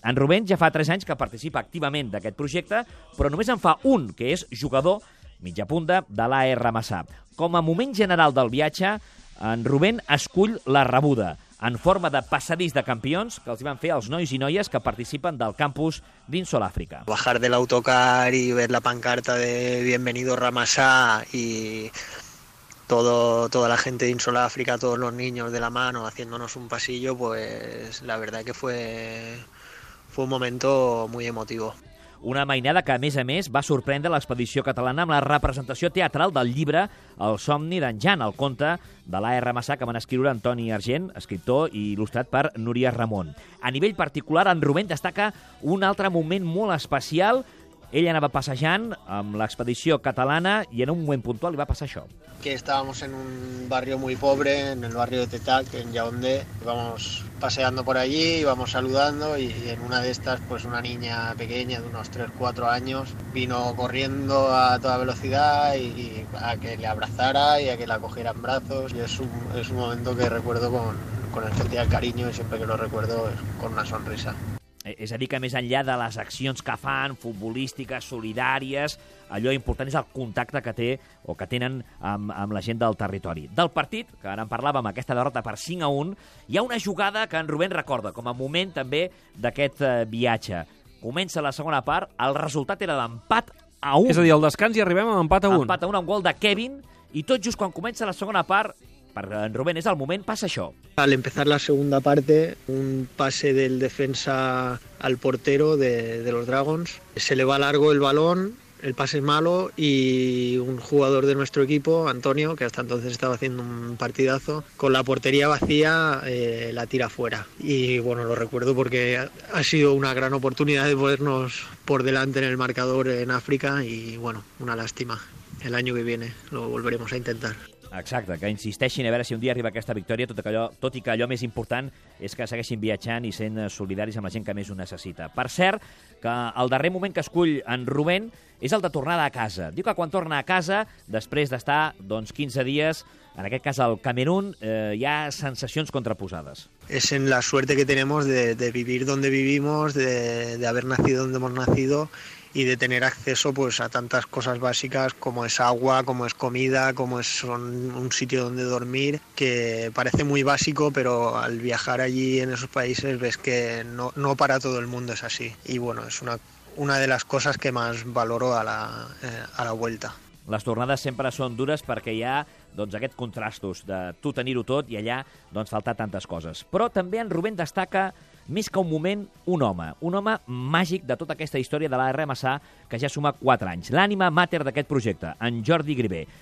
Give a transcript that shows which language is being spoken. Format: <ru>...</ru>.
<ca>En Rubén ja fa 3 anys que participa activament d'aquest projecte, però només en fa un, que és jugador mitja punta de l'AR Ramassà. Com a moment general del viatge, en Rubén escull la rebuda en forma de passadís de campions que els van fer els nois i noies que participen del campus d'InsolÀfrica.</ca> <es>Bajar de l'autocar i ver la pancarta de Bienvenido Ramassà i toda la gente de InsolÀfrica, todos los niños de la mano haciéndonos un pasillo, pues la verdad que fue un momento muy emotivo.</es> <ca>una mainada que, a més, va sorprendre l'expedició catalana amb la representació teatral del llibre El somni d'en Jan, el conte de l'A.R. Massà, que van escriure Antoni Argent, escriptor i il·lustrat per Núria Ramon. A nivell particular, en Rubén destaca un altre moment molt especial. Ell anava passejant amb l'expedició catalana i en un moment puntual li va passar això.</ca> <es>Que estábamos en un barrio muy pobre, en el barrio de Tetac, en Yaoundé. Íbamos paseando por allí, íbamos saludando y en una de estas, pues una niña pequeña de unos 3-4 años vino corriendo a toda velocidad y a que le abrazara y a que la cogiera en brazos. Y es un momento que recuerdo con especial cariño y siempre que lo recuerdo con una sonrisa.</es> <ca>És a dir, que més enllà de les accions que fan, futbolístiques, solidàries, allò important és el contacte que té o que tenen amb la gent del territori. Del partit, que ara en parlàvem, aquesta derrota per 5-1, hi ha una jugada que en Rubén recorda com a moment també d'aquest viatge. Comença la segona part, el resultat era d'empat a 1. És a dir, al descans i arribem amb empat a 1. Empat a 1 amb gol de Kevin, i tot just quan comença la segona part, per en Rubén és el moment, passa això.</ca> <es>Al empezar la segunda parte, un pase del defensa al portero de los Dragons. Se le va largo el balón, el pase es malo y un jugador de nuestro equipo, Antonio, que hasta entonces estaba haciendo un partidazo, con la portería vacía la tira fuera. Y bueno, lo recuerdo porque ha sido una gran oportunidad de ponernos por delante en el marcador en África y bueno, una lástima. El año que viene lo volveremos a intentar.</es> <ca>Exacte, que insisteixin a veure si un dia arriba aquesta victòria, tot i que allò més important és que segueixin viatjant i sent solidaris amb la gent que més ho necessita. Per cert, que el darrer moment que escull en Rubén és el de tornar a casa. Diu que quan torna a casa, després d'estar doncs 15 dies, en aquest cas al Camerún, hi ha sensacions contraposades.</ca> <es>Es en la suerte que tenemos de vivir donde vivimos, de haber nacido donde hemos nacido, y de tener acceso pues a tantas cosas básicas como es agua, como es comida, como es un sitio donde dormir, que parece muy básico, pero al viajar allí en esos países ves que no para todo el mundo es así. Y bueno, es una de las cosas que más valoro a la vuelta.</es> <ca>Les tornades sempre són dures perquè hi ha doncs aquest contrastos de tu tenir-ho tot i allà doncs faltar tantes coses. Però també en Rubén destaca més que un moment, un home màgic de tota aquesta història de l'A.R. Massà, que ja suma 4 anys. L'ànima mater d'aquest projecte, en Jordi Gribé.</ca>